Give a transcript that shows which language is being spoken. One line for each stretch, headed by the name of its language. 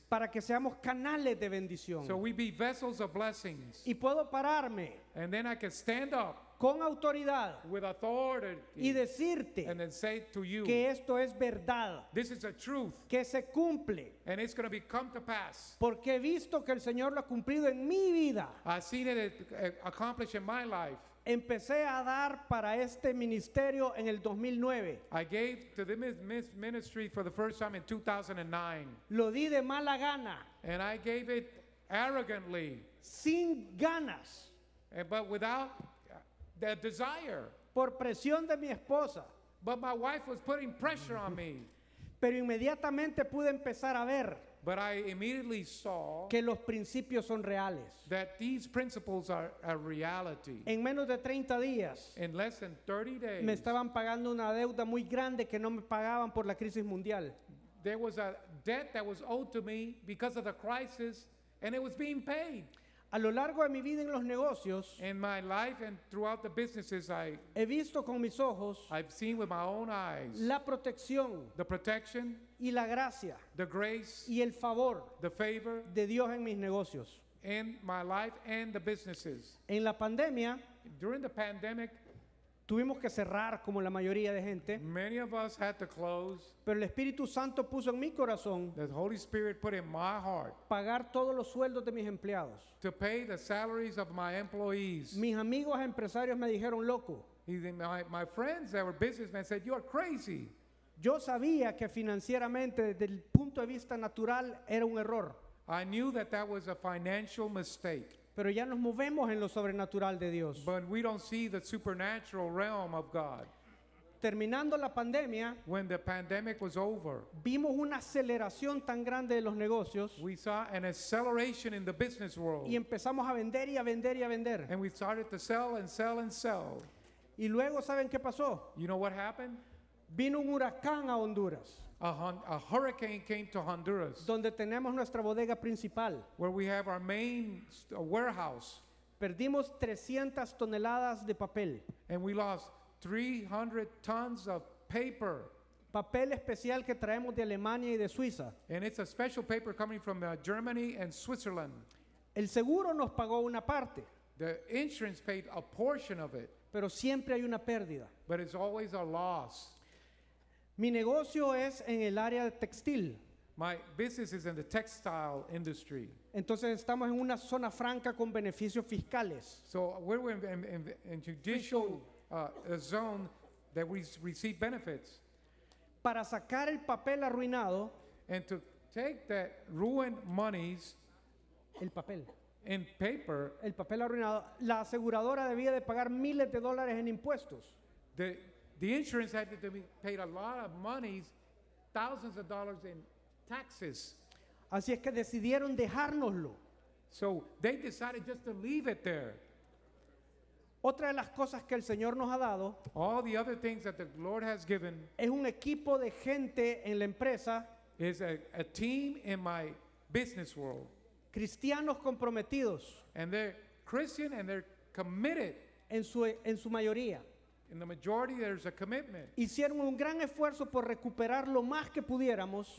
Spanish: para que seamos canales de bendición,
English: so we be vessels of blessings.
Spanish: Y puedo pararme,
English: and then I can stand up,
Spanish: con autoridad,
English: with authority,
Spanish: y decirte,
English: and then say to you,
Spanish: que esto es verdad,
English: this is a truth,
Spanish: que se cumple,
English: and it's going to be come to pass,
Spanish: porque he visto que el Señor lo ha cumplido en mi vida.
English: I've seen it accomplished in my life.
Spanish: Empecé a dar para este ministerio en el 2009.
English: I gave to the ministry for the first time in 2009.
Spanish: Lo di de mala gana,
English: and I gave it arrogantly,
Spanish: sin ganas,
English: but without the desire.
Spanish: Por presión de mi esposa.
English: But my wife was putting pressure on me.
Spanish: Pero inmediatamente pude empezar a ver.
English: But I immediately saw.
Spanish: Que los principios son reales.
English: That these principles are a reality.
Spanish: En menos de 30 días.
English: In less than 30 days.
Spanish: Me estaban pagando una deuda muy grande que no me pagaban por la crisis mundial.
English: There was a debt that was owed to me because of the crisis, and it was being paid.
Spanish: A lo largo de mi vida en los negocios,
English: in my life and throughout the businesses, I
Spanish: he visto con mis ojos,
English: I've seen with my own eyes,
Spanish: la protección,
English: the protection,
Spanish: y la gracia,
English: the grace,
Spanish: y el favor,
English: the favor,
Spanish: de Dios en mis negocios,
English: in my life and the businesses.
Spanish: En la pandemia,
English: during the pandemic,
Spanish: tuvimos que cerrar como la mayoría de gente.
English: Many of us had to close.
Spanish: Pero el Espíritu Santo puso en mi corazón,
English: the Holy Spirit put in my heart,
Spanish: pagar todos los sueldos de mis empleados,
English: to pay the salaries of my employees.
Spanish: Mis amigos empresarios me dijeron loco.
English: My friends that were businessmen said, "You are crazy."
Spanish: Yo sabía que financieramente, desde el punto de vista natural, era un error.
English: I knew that that was a financial mistake.
Spanish: Pero ya nos movemos en lo sobrenatural de Dios.
English: But we don't see the supernatural realm of God.
Spanish: Terminando la pandemia,
English: when the pandemic was over,
Spanish: vimos una aceleración tan grande de los negocios.
English: We saw an acceleration in the business world.
Spanish: Y empezamos a vender y a vender y a vender.
English: And we started to sell and sell and sell.
Spanish: Y luego, ¿saben qué pasó?
English: You know what happened?
Spanish: Vino un huracán a Honduras.
English: A hurricane came to Honduras.
Spanish: Donde tenemos nuestra bodega principal.
English: Where we have our main warehouse.
Spanish: Perdimos 300 toneladas de papel.
English: And we lost 300 tons of paper.
Spanish: Papel especial que traemos de Alemania y de Suiza.
English: And it's a special paper coming from Germany and Switzerland.
Spanish: El seguro nos pagó una parte.
English: The insurance paid a portion of it.
Spanish: Pero siempre hay una pérdida.
English: But it's always a loss.
Spanish: Mi negocio es en el área de textil.
English: My business is in the textile industry.
Spanish: Entonces estamos en una zona franca con beneficios fiscales.
English: So we're in judicial a zone that we receive benefits.
Spanish: Para sacar el papel arruinado.
English: And to take that ruined monies.
Spanish: El papel.
English: In paper,
Spanish: el papel arruinado, la aseguradora debía de pagar miles de dólares en impuestos.
English: The insurance had to be paid a lot of monies, thousands of dollars in taxes.
Spanish: Así es que decidieron dejárnoslo.
English: So they decided just to leave it there.
Spanish: Otra de las cosas que el Señor nos ha dado,
English: all the other things that the Lord has given,
Spanish: es un equipo de gente en la empresa,
English: is a team in my business world.
Spanish: Cristianos comprometidos.
English: And they're Christian and they're committed.
Spanish: En su mayoría.
English: In the majority there's a commitment.
Spanish: Hicieron un gran esfuerzo por recuperar lo más que pudiéramos.